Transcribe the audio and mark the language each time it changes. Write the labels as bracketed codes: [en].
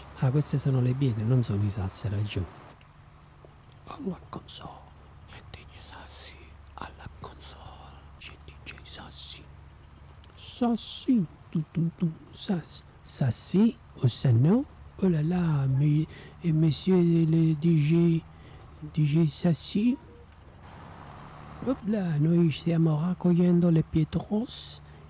[it] Queste sono le pietre, non sono i sassi, hai ragione. Alla console, c'è DJ Sassi. Alla console, c'è DJ Sassi. Sassi. [fr] Ça si ou ça non? Oh là là, mais et monsieur le DJ ça si? [it] Hop là, noi stiamo raccogliendo le pietruzzole.